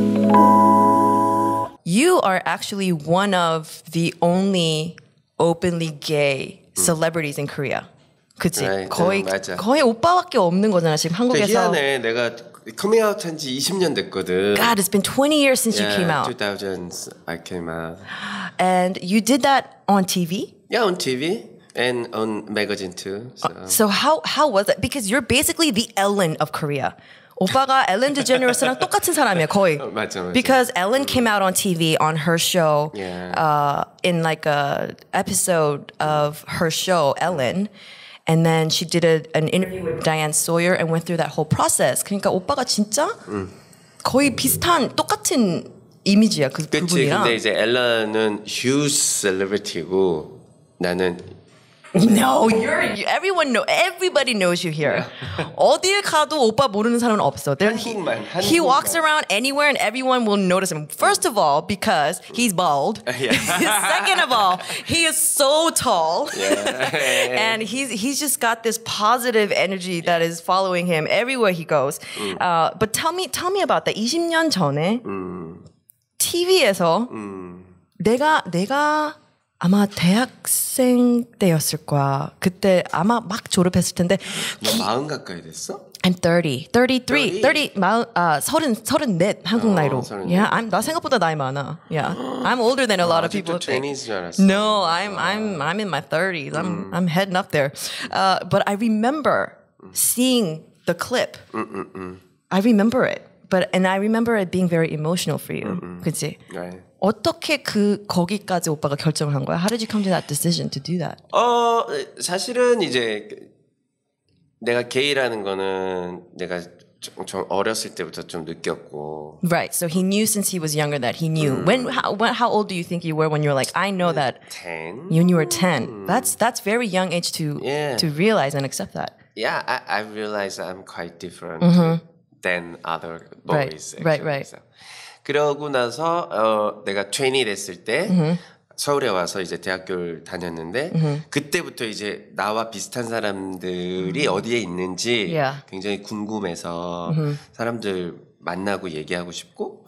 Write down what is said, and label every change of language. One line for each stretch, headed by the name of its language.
English: You are actually one of the only openly gay celebrities in Korea.
Korean: 그치? 아, 거의 네, 맞아. 거의 오빠밖에 없는 거잖아 지금 한국에서. 희한해. 내가
English: coming out
Korean: 한 지 20년 됐거든.
English: God, it's been 20 years since yeah, you came out. 2000s I came out. And you did that on TV? Yeah, on TV. And on magazine too. So how was it? Because you're basically the Ellen of Korea.
Korean: 오빠가 엘렌 디제너러스랑 똑같은 사람이야 거의. 맞죠, 맞죠.
English: Because Ellen came out on TV on her show, yeah. In like a episode of her show Ellen, and then she did an interview with Diane Sawyer and went through that whole process.
Korean: 그러니까 오빠가 진짜 거의 비슷한 똑같은 이미지야 그분이랑. 그치. 근데 이제 엘렌은
English: huge celebrity
Korean: 고 나는.
English: No, everyone knows. Everybody knows you here.
Korean: 어디에 가도 오빠 모르는 사람은 없어. 한국만.
English: He walks around anywhere, and everyone will notice him. First of all, because he's bald. Yeah. Second of all, he is so tall. Yeah. And he's just got this positive energy that is following him everywhere he goes. But tell me about that.
Korean: 20년 전에 TV에서 내가 아마 대학생 때였을 거야. 그때 아마 막 졸업했을 텐데. 너 마흔 가까이 됐어?
English: I'm 33.
Korean: 한국 나이로.
English: 34. Yeah,
Korean: 나 생각보다 나이 많아.
English: Yeah. I'm older than a lot of people think.
Korean: 20s 줄 알았어.
English: No, I'm in my 30s. I'm heading up there. But I remember seeing the clip. I remember it. And I remember it being very emotional for you.
Korean: 그치?
English: Right.
Korean: 어떻게 그 거기까지 오빠가 결정을 한 거야?
English: How did you come to that decision to do that?
Korean: 사실은 이제 내가 게이라는 거는 내가 좀 어렸을 때부터 좀 느꼈고.
English: Right. So he knew since he was younger that he knew. How old do you think you were when you were like I know that? 10. When you were 10. That's very young age to realize and accept that. Yeah, I realize I'm quite different than other boys. Right. So.
Korean: 그러고 나서 내가 20 됐을 때 서울에 와서 이제 대학교를 다녔는데 그때부터 이제 나와 비슷한 사람들이 어디에 있는지 굉장히 궁금해서 사람들 만나고 얘기하고 싶고.